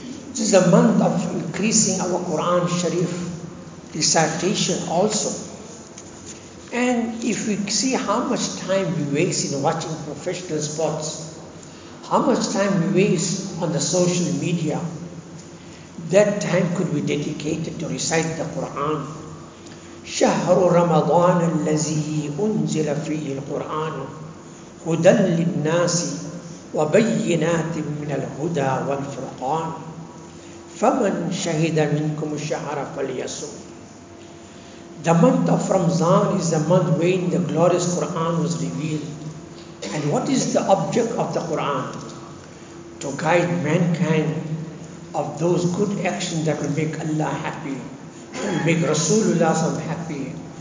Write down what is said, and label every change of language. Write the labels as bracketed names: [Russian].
[English] This is a month of increasing our Quran Sharif recitation also. And if we see how much time we waste in watching professional sports, how much time we waste on the social media, that time could be dedicated to recite the Quran. [Arabic] شهر رمضان الذي أنزل فيه القرآن هدى للناس وبينات من الهدى والفرقان فمن شهد منكم الشهر فليصم. [English] The month of Ramadan is the month when the glorious Quran was revealed. And what is the object of the Quran? To guide mankind of those good actions that will make Allah happy, will make Rasulullah happy,